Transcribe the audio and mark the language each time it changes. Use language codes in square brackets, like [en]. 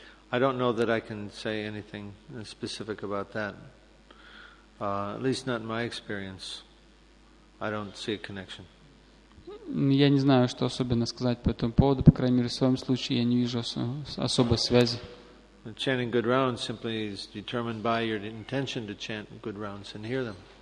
[en] I don't know that I can say anything specific about that. At least not in my experience. I don't see a connection. [ru] Я не знаю, что особенно сказать по этому поводу. По крайней мере, в своем случае я не вижу особой связи. [en] Chanting good rounds simply is determined by your intention to chant good rounds and hear them.